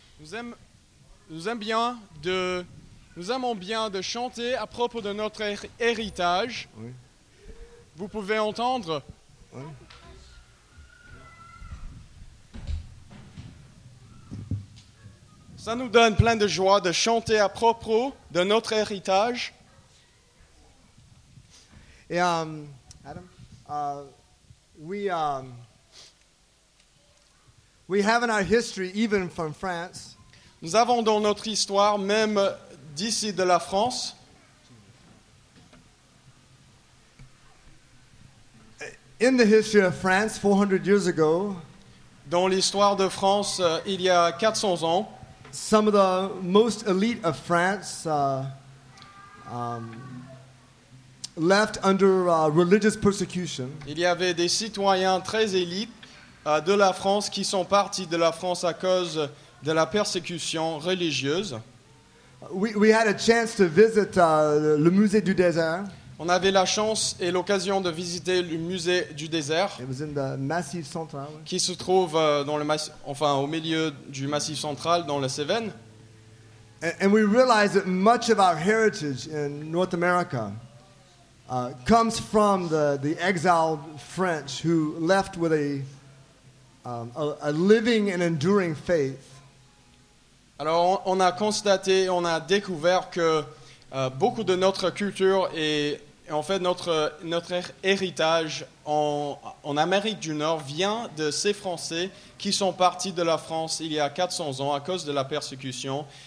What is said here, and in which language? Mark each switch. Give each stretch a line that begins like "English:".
French: Nous aimons bien de chanter à propos de notre héritage. Oui. Vous pouvez entendre. Oui. Ça nous donne plein de joie de chanter à propos de notre héritage. Et
English: Adam, we have in our history, even from France.
French: Nous avons dans notre histoire, même d'ici de la France.
English: In the history of France, 400 years ago.
French: dont l'histoire de France il y a 400 ans.
English: Some of the most elite of France left under religious persecution.
French: Il y avait des citoyens très élites de la France qui sont partis de la France à cause de la persécution religieuse.
English: We had a chance to visit le musée du désert.
French: On avait la chance et l'occasion de visiter le musée du désert.
English: It was in the Massif Central, oui.
French: Qui se trouve dans le au milieu du Massif Central dans les Cévennes.
English: And we realized that much of our heritage in North America comes from the exiled French who left with a living and enduring faith.
French: Alors, on a constaté, on a découvert que beaucoup de notre culture et en fait notre héritage en Amérique du Nord vient de ces Français qui sont partis de la France il y a 400 ans à cause de la persécution.